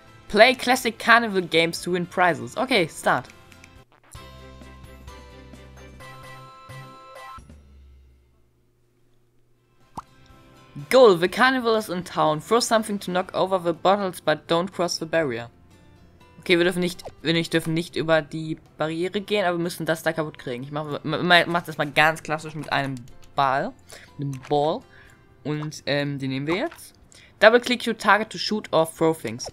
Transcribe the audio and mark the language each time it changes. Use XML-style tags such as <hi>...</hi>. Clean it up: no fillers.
<en>Play classic carnival games to win prizes. Okay, start. Goal, the carnival is in town. Throw something to knock over the bottles, but don't cross the barrier.</en> <de>Okay, wir dürfen nicht über die Barriere gehen, aber wir müssen das da kaputt kriegen. Ich mach das mal ganz klassisch mit einem Ball. Mit einem Ball. Und den nehmen wir jetzt.</de> <en>Double click your target to shoot or throw things.</en>